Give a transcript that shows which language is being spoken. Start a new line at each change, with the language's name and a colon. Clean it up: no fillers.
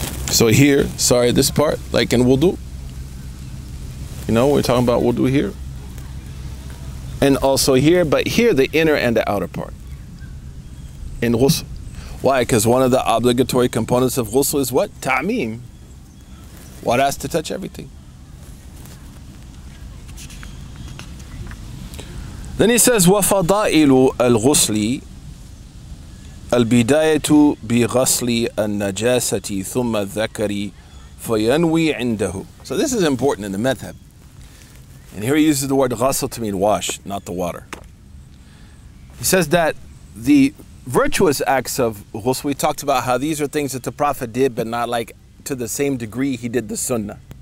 English: So here, sorry, this part, like in wudu. You know, we're talking about wudu here. And also here, but here the inner and the outer part. In ghusl. Why? Because one of the obligatory components of ghusl is what? Ta'meem. Water has to touch everything. Then he says,
Arabic: وَفَضَائِلُ الْغُسْلِ الْبِدَايَةُ بِغَسْلِ النَّجَاسَةِ ثُمَّ الذَّكَرِ فَيَنْوِي عِنْدَهُ.
English: So this is important in the madhab. And here he uses the word ghasl to mean wash, not the water. He says that the virtuous acts of ghusl, we talked about how these are things that the Prophet did, but not like to the same degree he did the sunnah.